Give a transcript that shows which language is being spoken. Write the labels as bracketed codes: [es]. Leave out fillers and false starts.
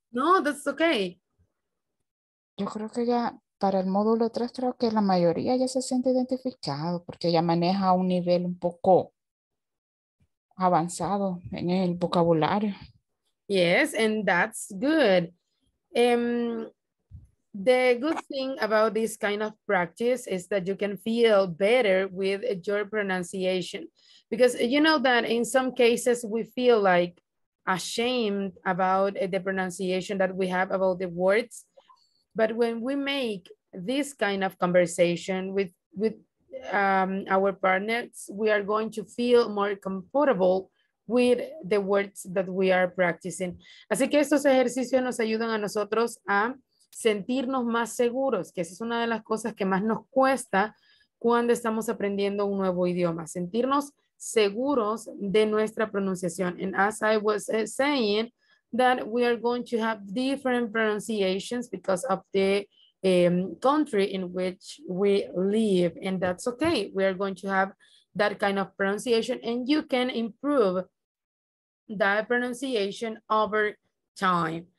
[en] No, that's okay. [es] Yo creo que ya... Para el módulo 3 creo que la mayoría ya se siente identificado porque ya maneja un nivel un poco avanzado en el vocabulario. [en] Yes, and that's good. The good thing about this kind of practice is that you can feel better with your pronunciation. Because you know that in some cases we feel like ashamed about the pronunciation that we have about the words. But when we make this kind of conversation with our partners, we are going to feel more comfortable with the words that we are practicing. [es] Así que estos ejercicios nos ayudan a nosotros a sentirnos más seguros, que esa es una de las cosas que más nos cuesta cuando estamos aprendiendo un nuevo idioma, sentirnos seguros de nuestra pronunciación. [en] And as I was saying, that we are going to have different pronunciations because of the country in which we live. And that's okay. We are going to have that kind of pronunciation and you can improve that pronunciation over time.